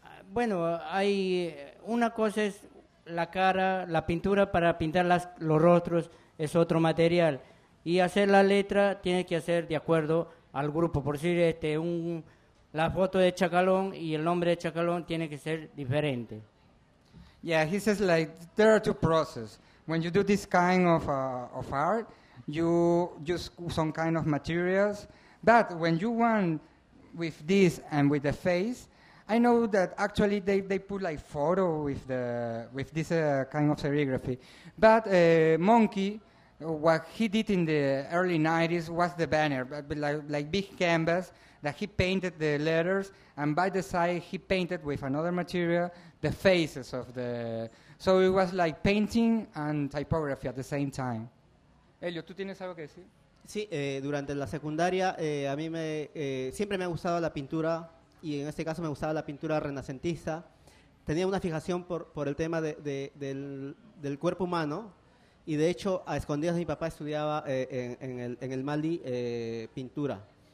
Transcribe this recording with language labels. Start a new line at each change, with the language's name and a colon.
Spanish: Bueno, hay una cosa es la cara, la pintura para pintar los rostros es otro material. Y hacer la letra tiene que hacer de acuerdo al grupo. Por decir, la foto de Chacalón y el nombre de Chacalón tiene que ser diferente.
English: Yeah, he says like there are two processes. When you do this kind of art, you use some kind of materials. But when you want with this and with the face, I know that actually they put like photo with this kind of serigraphy. But Monkey, what he did in the early 90s was the banner, but like big canvas that he painted the letters, and by the side he painted with another material the faces of the... So it was like painting and typography at the same time.
Spanish: Elio, ¿tú tienes algo que decir? Sí, durante la secundaria a mí siempre me ha gustado la pintura, y en este caso me gustaba la pintura renacentista. Tenía una fijación por el tema del cuerpo humano, y de hecho a escondidas de mi papá estudiaba en el Mali pintura.